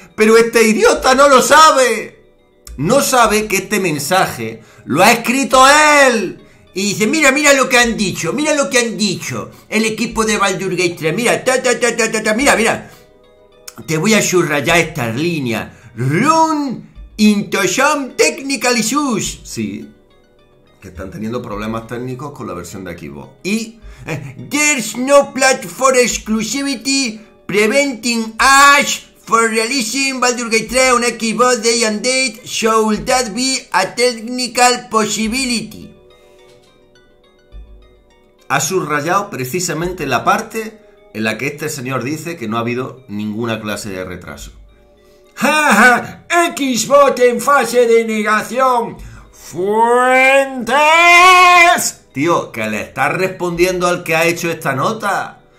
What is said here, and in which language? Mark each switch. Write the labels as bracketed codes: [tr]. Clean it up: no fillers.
[es] ¡Pero este idiota no lo sabe! No sabe que este mensaje lo ha escrito él. Y dice, mira, mira lo que han dicho. Mira lo que han dicho el equipo de Baldur's Gate 3. Mira, ta, ta, ta, ta, ta, ta. Mira, mira. Te voy a subrayar estas líneas. [en] Run into some technical issues. [es] Sí. Que están teniendo problemas técnicos con la versión de Xbox. [en] Y there's no platform exclusivity preventing us for releasing Baldur's Gate 3 on Xbox Day and Date, should that be a technical possibility? [es] Ha subrayado precisamente la parte en la que este señor dice que no ha habido ninguna clase de retraso. ¡Ja, ja! ¡Xbox en fase de negación! ¡Fuentes! Tío, que le estás respondiendo al que ha hecho esta nota.